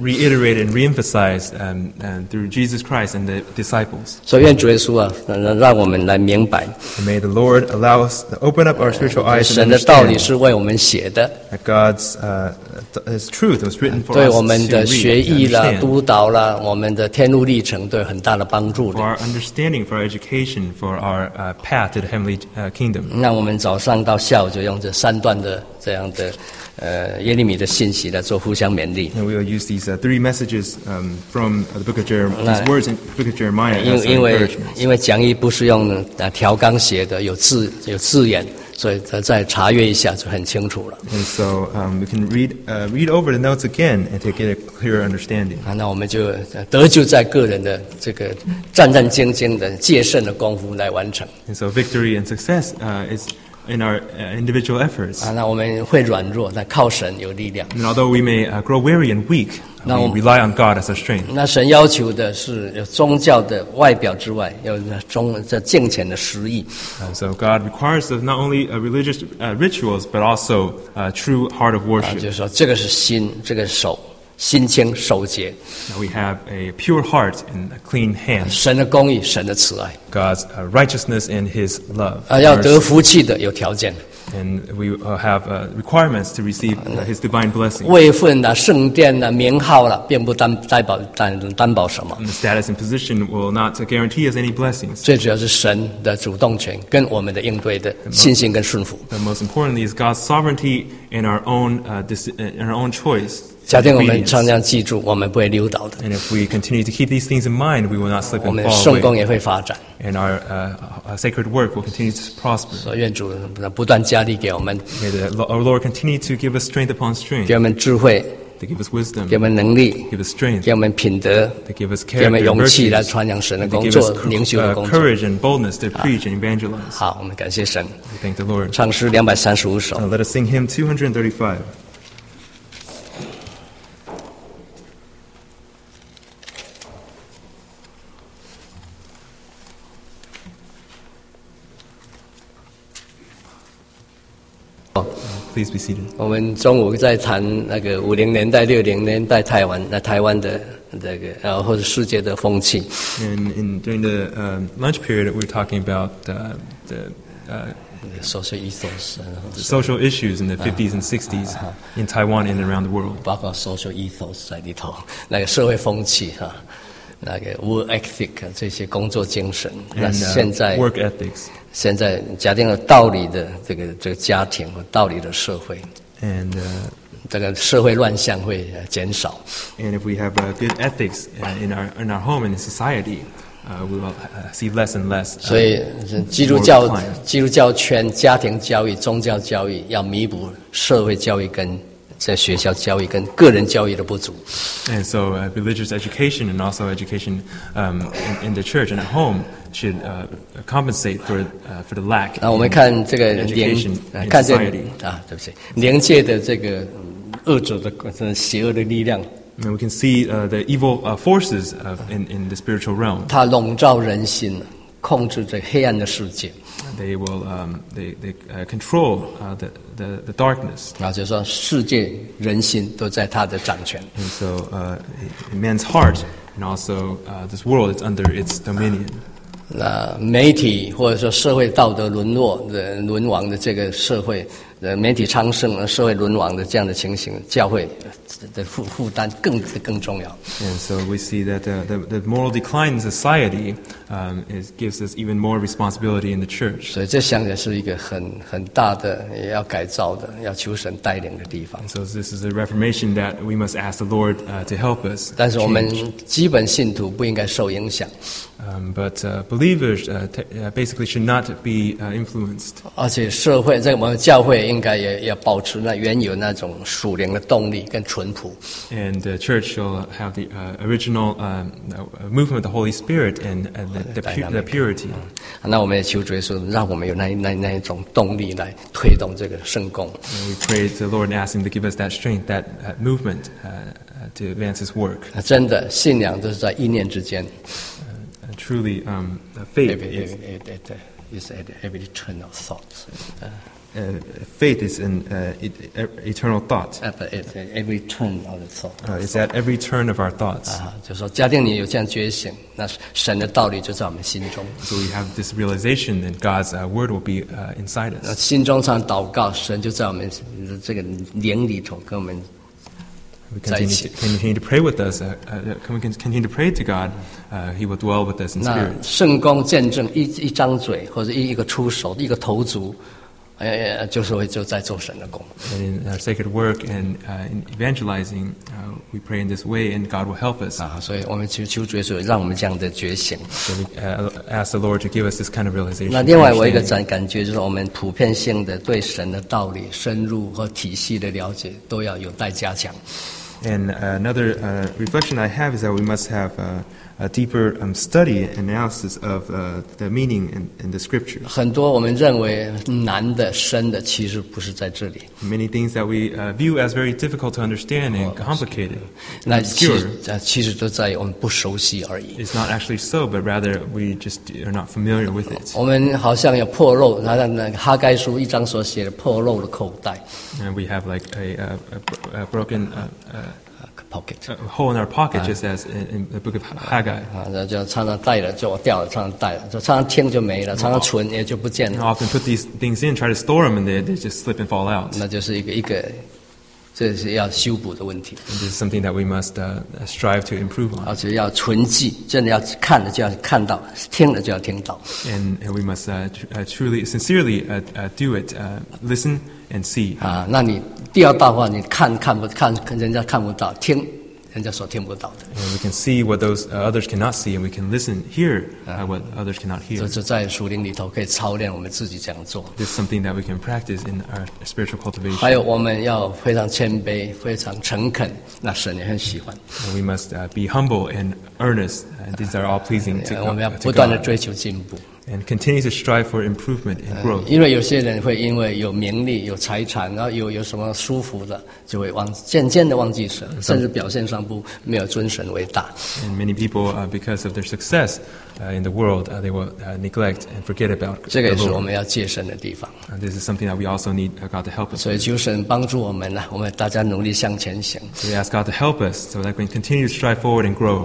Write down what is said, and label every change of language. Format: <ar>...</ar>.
<en>Reiterated and reemphasized through Jesus Christ and the disciples.</en> <zh>所以愿主耶稣让我们来明白。</zh> <en>And may the Lord allow us to open up our spiritual eyes and understand.</en> <zh>神的道理是为我们写的。</zh> <en>That God's His truth was written for us.</en> <zh>对我们的学艺啦、督导啦、我们的天路历程，都有很大的帮助的。</zh> <en>For our understanding, for our education, for our path to the heavenly kingdom.</en> <zh>那我们早上到下午就用这三段的这样的耶利米的信息来做互相勉励。</zh> <en>And we will use these three messages from the book of Jeremiah. These words in the book of Jeremiah.</en> <zh>因为讲义不是用条纲写的，有字眼。所以再查阅一下就很清楚了。</zh> <en>And so we can read over the notes again and to get a clearer understanding.</en> <zh>那我们就得救在个人的这个战战兢兢的戒慎的功夫来完成。</zh> <en>And so victory and success is in our individual efforts.</en> <zh>那我们会软弱，但靠神有力量。</zh> <en>And although we may grow weary and weak, we rely on God as our strength.</en> <zh>那神要求的是有宗教的外表之外，有中这敬虔的实意。</zh> <en>So God requires of not only religious rituals, but also a true heart of worship.</en> <zh>就是说这个是心，这个是手。心清守节。</zh> <en>Now we have a pure heart and a clean hand.</en> <zh>神的公义，神的慈爱。</zh> <en>God's righteousness and His love.</en> <zh>要得福气的有条件。</zh> <en>And we have requirements to receive His divine blessing.</en> <zh>位份了，圣殿了，名号了，并不担保什么。</zh> <en>The status and position will not guarantee us any blessings.</en> <zh>最主要是神的主动权跟我们的应对的信心跟顺服。</zh> <en>But most importantly is God's sovereignty in our own choice.</en> <zh>假定我们常常记住，我们不会溜倒的。</zh> <en>And if we continue to keep these things in mind, we will not slip and fall away.</en> <zh>我们圣工也会发展。</zh> <en>And our sacred work will continue to prosper.</en> <zh>所以愿主不断加力给我们。</zh> <en>May the Lord continue to give us strength upon strength.</en> <zh>给我们智慧。</zh> <en>To give us wisdom.</en> <zh>给我们能力。</zh> <en>Give us strength.</en> <zh>给我们品德。</zh> <en>To give us character.</en> <zh>给我们勇气来传扬神的工作，灵修的工作。</zh> <en>Courage and boldness to preach and evangelize.</en> <zh>好，我们感谢神。</zh> <en>We thank the Lord.</en> <zh>唱诗235首。</zh> <en>Let us sing hymn 235. Please be seated.</en> <zh>我们中午在谈那个50年代、60年代台湾的这个，或者世界的风气。</zh> <en>And in during the lunch period, we were talking about the social ethos, social issues in the 50s and 60s in Taiwan and around the world.</en> <zh>包括</zh> <en>social ethos</en> <zh>在里头，那个社会风气哈，那个</zh> <en>work ethic</en> <zh>这些工作精神。那现在</zh> <en>work ethics.</en> <zh>现在假定了道理的这个家庭和道理的社会</zh> <en>，and</en> <zh>这个社会乱象会减少。</zh> <en>And if we have a good ethics in our home and in society, we will see less and less.</en> <zh>所以基督教圈家庭教育、宗教教育要弥补社会教育跟在学校教育跟个人教育的不足。</zh> <en>And so religious education and also education in the church and at home. Should compensate for the lack.</en> <zh>那我们看这个灵，看这啊，对不起，灵界的这个恶者的邪恶的力量。</zh> <en>And we can see the evil forces of in the spiritual realm.</en> <zh>它笼罩人心，控制这黑暗的世界。</zh> <en>They will control the darkness.</en> <zh>然后就说世界人心都在他的掌权。</zh> <en>And so man's heart and also this world is under its dominion.</en> <zh>媒体或者说社会道德沦落的沦亡的这个社会，媒体昌盛社会沦亡的这样的情形，教会的负担更重要。</zh> <en>And so we see that the moral decline in society is gives us even more responsibility in the church.</en> <zh>所以这想起来是一个很大的也要改造的，要求神带领的地方。</zh> <en>So this is a reformation that we must ask the Lord to help us.</en> <zh>但是我们基本信徒不应该受影响。</zh> <en>But believers basically should not be influenced.</en> <zh>而且社会在我们教会应该也要保持那原有那种属灵的动力跟淳朴。</zh> <en>And the church shall have the original movement of the Holy Spirit and the purity.</en> <zh>那我们也求主耶稣让我们有那一种动力来推动这个圣工。</zh> <en>And we pray to the Lord and ask Him to give us that strength, that movement to advance His work.</en> <zh>真的，信仰都是在一念之间。</zh> <en>Truly, faith is at every turn of thought. Faith is an eternal thought. Every turn of the thought. It's at every turn of our thoughts.</en> <zh>就说假定你有这样觉醒，那神的道理就在我们心中。</zh> <en>So we have this realization, and God's word will be inside us.</en> <zh>心中常祷告，神就在我们这个灵里头跟我们。</zh> <en>Continue to pray with us. Can we continue to pray to God? He will dwell with us in spirit.</en> <zh>那圣工见证一张嘴或者一个出手一个投足，就是会就在做神的工。</zh> <en>And in our sacred work and in evangelizing, we pray in this way, and God will help us.</en> <zh>所以我们求主耶稣让我们这样的觉醒。</zh> <en>So we ask the Lord to give us this kind of realization.</en> <zh>那另外我一个感觉就是我们普遍性的对神的道理深入和体系的了解都要有待加强。</zh> <en>And another reflection I have is that we must have a deeper study and analysis of the meaning in the scriptures.</en> <zh>很多我们认为难的、深的，其实不是在这里。</zh> <en>Many things that we view as very difficult to understand and complicated,</en> <zh>那其实都在于我们不熟悉而已。</zh> <en>It's not actually so, but rather we just are not familiar with it.</en> <zh>我们好像有破漏，那哈该书一章所写的破漏的口袋。</zh> <en>And we have like a broken pocket. A hole in our pocket, just as in the book of Haggai.</en> <zh>就常常带了，就我掉了，常常带了，就常常听就没了，常常存也就不见了。</zh> <en>And often put these things in, try to store them, and they just slip and fall out.</en> <zh>那就是一个，这是要修补的问题。</zh> <en>And this is something that we must strive to improve on.</en> <zh>而且要存记，真的要看了就要看到，听了就要听到。</zh> <en>And we must truly, sincerely do it, listen. And see.</en> <zh>那你第二道话，你看人家看不到，听人家所听不到的。</zh> <en>And we can see what those others cannot see, and we can listen, hear what others cannot hear.</en> <zh>就在属灵里头可以操练我们自己这样做。</zh> <en>This is something that we can practice in our spiritual cultivation.</en> <zh>还有我们要非常谦卑，非常诚恳，那神也很喜欢。</zh> <en>And we must be humble and earnest, and these are all pleasing to God.</en> <zh>我们要不断地追求进步。</zh> <en>And continue to strive for improvement and growth.</en> <zh>因为有些人会因为有名利、有财产，然后有什么舒服的，就会渐渐的忘记神，甚至表现上不没有尊神为大。</zh> <en>And many people, because of their success in the world, they will neglect and forget about the Lord.</en> <zh>这个也是我们要借神的地方。</zh> <en>This is something that we also need God to help us.</en> <zh>所以求神帮助我们呢，我们大家努力向前行。</zh> <en>So we ask God to help us so that we can continue to strive forward and grow.</en>